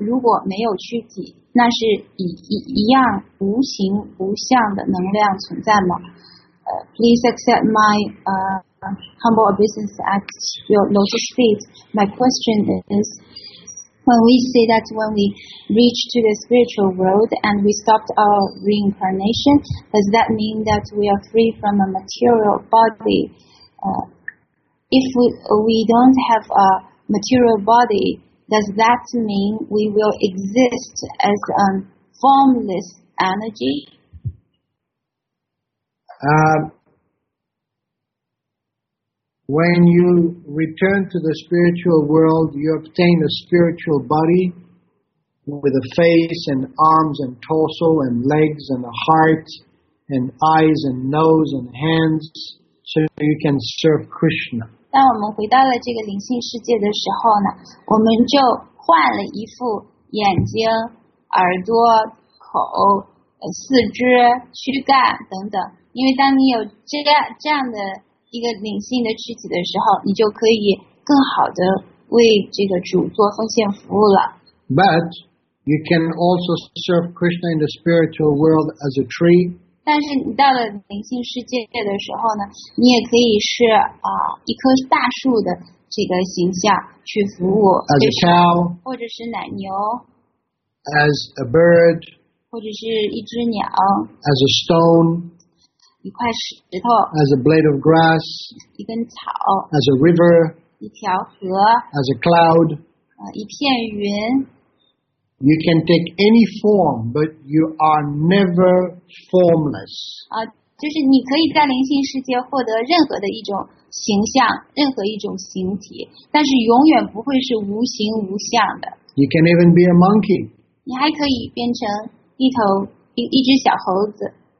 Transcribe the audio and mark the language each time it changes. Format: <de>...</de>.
<zh>如果没有躯体，那是以一样无形无相的能量存在吗？</zh> <en>Please accept my humble obeisance at your lotus feet. My question is, when we say that when we reach to the spiritual world and we stopped our reincarnation, does that mean that we are free from a material body? if we don't have a material body, does that mean we will exist as a formless energy? When you return to the spiritual world, you obtain a spiritual body with a face and arms and torso and legs and a heart and eyes and nose and hands, so you can serve Krishna.</en> <zh>当我们回到了这个灵性世界的时候呢，我们就换了一副眼睛、耳朵、口、四肢、躯干等等。因为当你有这样的一个灵性的躯体的时候，你就可以更好的为这个主做奉献服务了。</zh> <en>But you can also serve Krishna in the spiritual world as a tree.</en> <zh>但是你到了灵性世界的时候呢，你也可以是一棵大树的这个形象去服务。</zh> <en>As a cow.</en> <zh>或者是奶牛。</zh> <en>As a bird.</en> <zh>或者是一只鸟。</zh> <en>As a stone.</en> <zh>一块石头</zh> <en>，as a blade of grass，</en> <zh>一根草</zh> <en>，as a river，</en> <zh>一条河</zh> <en>，as a cloud，</en> <zh>一片云。</zh> <en>You can take any form, but you are never formless.</en> <zh>就是你可以在灵性世界获得任何的一种形象，任何一种形体，但是永远不会是无形无相的。</zh> <en>You can even be a monkey.</en> <zh>你还可以变成一头一只小猴子。</zh>